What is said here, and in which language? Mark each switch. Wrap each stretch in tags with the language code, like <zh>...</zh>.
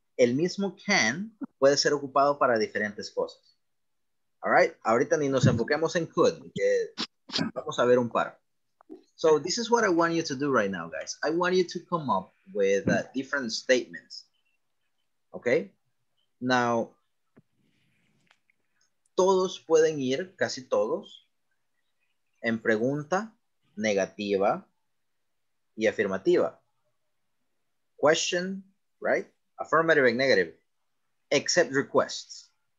<es>El mismo can puede ser ocupado para diferentes cosas.</es> <en>All right?</en> <es>Ahorita ni nos enfoquemos en could. Que vamos a ver un par.</es> <en>So this is what I want you to do right now, guys. I want you to come up with different statements. Okay?</en> <es>Now, todos pueden ir, casi todos, en pregunta negativa y afirmativa.</es> <en>Question, right? Affirmative and negative. Except requests.</en>